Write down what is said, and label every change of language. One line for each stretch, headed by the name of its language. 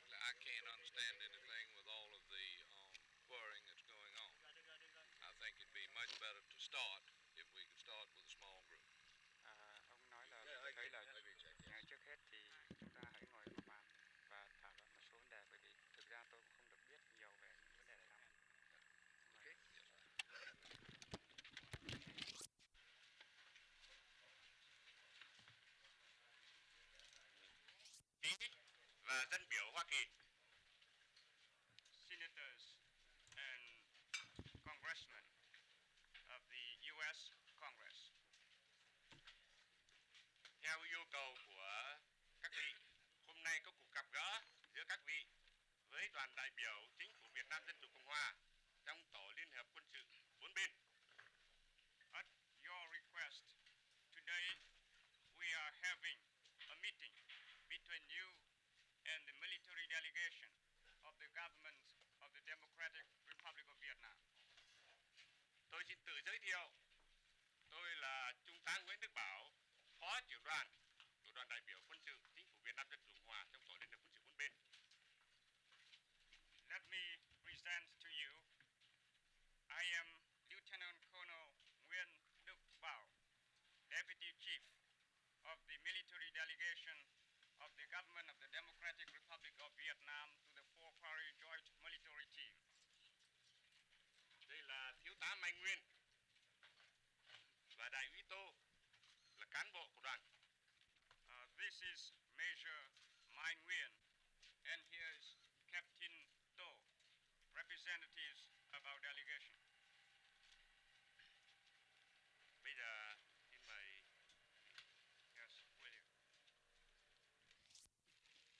English: I can't understand anything with all of the quarrying that's going on. I think it'd be much better to start if we could start with a small group.
Vietnamese: Ông nói là tôi thấy là ngay trước hết thì chúng ta hãy ngồi một bàn và thảo luận một số vấn đề, bởi vì thực ra tôi cũng không được biết nhiều về những vấn đề này lắm. Và dân biểu Hoa Kỳ.
English: Senators and congressmen of the US Congress.
Vietnamese: Theo yêu cầu của các vị, hôm nay có cuộc gặp gỡ giữa các vị với đoàn đại biểu chính phủ Việt Nam Dân chủ Cộng hòa trong tổ liên hiệp quân sự bốn bên.
English: At your request, today we are having a meeting between you and the military delegation of the government of the Democratic Republic of Vietnam.
Vietnamese: Tôi xin tự giới thiệu. Tôi là Trung tá Nguyễn Đức Bảo, Phó trưởng đoàn của đoàn đại biểu quân sự chính phủ Việt Nam Dân chủ Cộng hòa trong tổ liên hiệp quân sự bốn bên.
English: Let me present to you. I am Lieutenant Colonel Nguyễn Đức Bảo, Deputy Chief of the military delegation of the government of the Democratic Republic of Vietnam to the four-party joint military team.
Vietnamese: Đây là thiếu tá Mai Nguyên và đại úy Tô là cán bộ của đoàn.
English: This is Major Mai Nguyên, and here is Captain Tô, representatives of our delegation.
Vietnamese: Bây giờ xin mời.
English: Yes, will you?